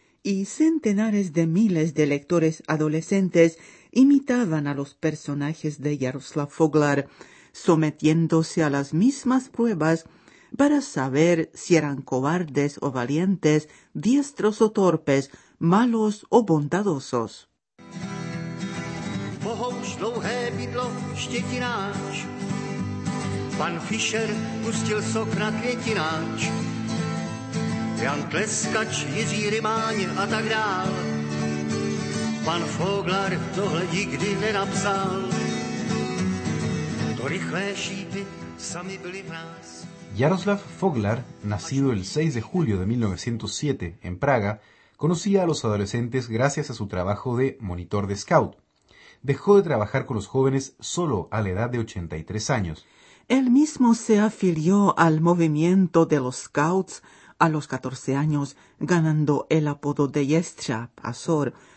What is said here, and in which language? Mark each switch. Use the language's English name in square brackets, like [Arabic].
[Spanish] Y centenares de miles de lectores adolescentes imitaban a los personajes de Jaroslav Foglar, sometiéndose a las mismas pruebas para saber si eran cobardes o valientes, diestros o torpes, malos o bondadosos. [Czech] Bohouš dlouhé bydlo štětináč, pan Fischer pustil sok na květináč, Jan Tleskač, Jiří Rymáň a tak dál. Pan Foglar tohle nikdy nenapsal, to rychlé šípy sami byly v nás. [Spanish] Jaroslav Foglar, nacido el 6 de julio de 1907 en Praga, conocía a los adolescentes gracias a su trabajo de monitor de scout. Dejó de trabajar con los jóvenes solo a la edad de 83 años. Él mismo se afilió al movimiento de los scouts a los 14 años, ganando el apodo de Yestra, Azor.